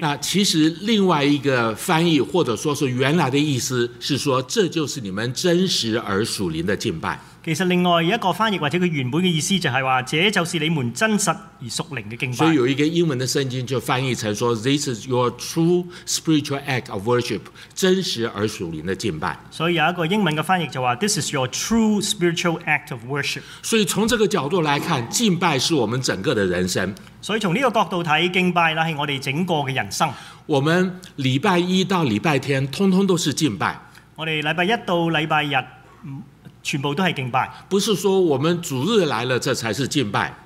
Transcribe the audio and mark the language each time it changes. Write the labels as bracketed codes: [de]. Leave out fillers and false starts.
[zh] 那其实另外一个翻译或者说是原来的意思是说，这就是你们真实而属灵的敬拜。其实另外一个翻译或者原本的意思就是说，这就是你们真实而属灵的敬拜。所以有一个英文的圣经就翻译成说， [en] This is your true spiritual act of worship， [zh] 真实而属灵的敬拜。所以有一个英文的翻译就说， [en] This is your true spiritual act of worship。 [zh] 所以从这个角度来看，敬拜是我们整个的人生。所以从这个角度看，敬拜是我们整个的人生。我们礼拜一到礼拜天通通都是敬拜。我们礼拜一到礼拜日全部都是敬拜，不是说我们主日来了这才是敬拜，